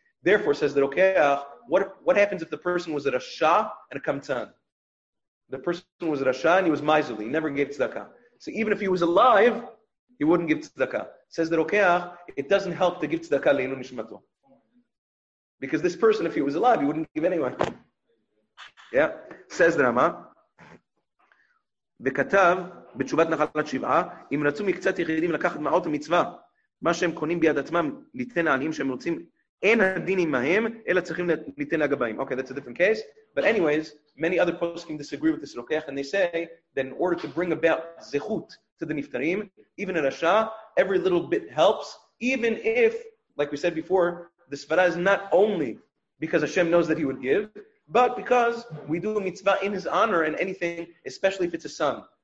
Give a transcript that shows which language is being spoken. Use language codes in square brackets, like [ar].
[en] Therefore, says the Rokeach, what happens if the person was a rasha and a kamtan? The person was a rasha and he was miserly, he never gave tzedakah. So even if he was alive, he wouldn't give tzedakah. Says the Rokeach, it doesn't help to give tzedakah [he] le'inu nishmato. [en] Because this person, if he was alive, he wouldn't give anyway. Yeah, says the Rama. [he] בכתב, בתשובת נחלת שבעה, אם רצו מקצת יחידים לקחת מעות המצווה, מה שהם קונים ביד עצמם, ליתן העניים שהם רוצים, אין הדין עמהם, אלא צריכים ליתן לגביים. [en] Okay, that's a different case. But anyways, many other poskim disagree with this rokeach, and they say that in order to bring about zechut to the niftarim, even a rasha, every little bit helps, even if, like we said before, the svara is not only because Hashem knows that he would give, but because we do a mitzvah in his honor and anything, especially if it's a son.